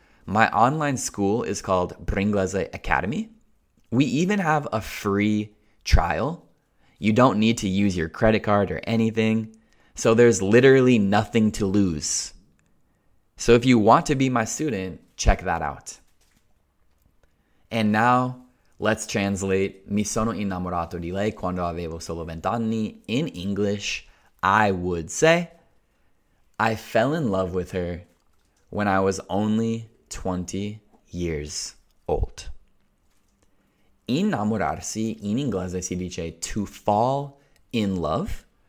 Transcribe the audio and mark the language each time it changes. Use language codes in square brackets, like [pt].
[en] My online school is called Bringlese Academy. We even have a free trial. You don't need to use your credit card or anything. So there's literally nothing to lose. So if you want to be my student, check that out. And now, let's translate. [it] Mi sono innamorato di lei quando avevo solo 20 anni. [en] In English, I would say, I fell in love with her when I was only 20 years old. [it] Innamorarsi in inglese si dice [en] to fall in love.